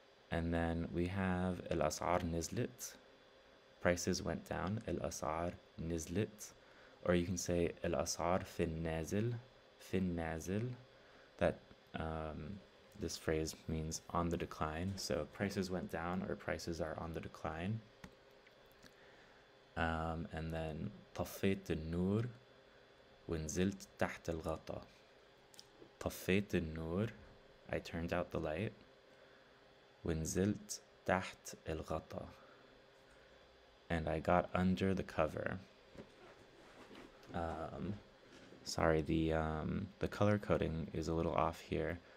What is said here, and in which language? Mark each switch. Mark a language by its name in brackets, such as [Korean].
[English] And then we have [Arabic] al-as'ar nizlit. [English] Prices went down. [Arabic] Al-as'ar nizlit. [English] Or you can say [Arabic] al-as'ar fin nazil. Fin nazil. [English] That this phrase means on the decline. So prices went down or prices are on the decline. And then [Arabic] طفيت النور ونزلت تحت الغطا. طفيت النور, [English] I turned out the light. [Arabic] ونزلت تحت الغطا, [English] and I got under the cover. Sorry, the color coding is a little off here.